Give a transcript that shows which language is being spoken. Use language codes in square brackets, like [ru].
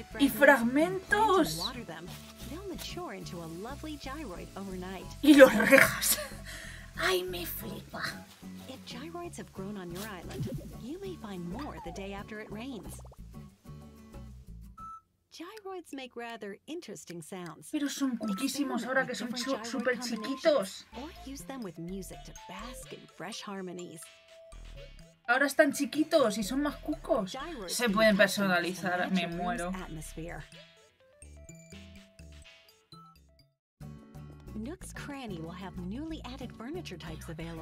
[es] ¿Y fragmentos? [en] They'll mature into a lovely gyroid overnight. [es] ¡Y los rejas! ¡Ay, me flipa! [en] If gyroids have grown on your island, you may find more the day after it rains. Gyroids make rather interesting sounds. [es] Pero son cuquísimos ahora que son super chiquitos. [en] Or use them with music to bask in fresh harmonies. [es] Ahora están chiquitos y son más cucos. Se pueden personalizar, me muero. [en] Nook's Cranny will have newly added furniture types available.